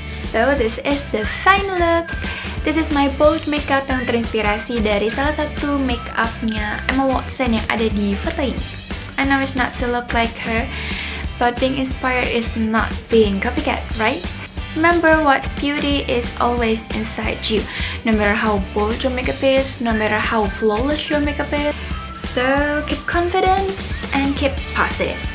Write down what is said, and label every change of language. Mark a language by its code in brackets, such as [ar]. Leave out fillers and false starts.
[en] So this is the final look. This is my bold makeup [id] yang terinspirasi dari salah satu makeupnya Emma Watson yang ada di foto ini. [en] I know it's not to look like her, but being inspired is not being copycat, right? Remember what beauty is always inside you. No matter how bold your makeup is, no matter how flawless your makeup is. So keep confidence and keep positive.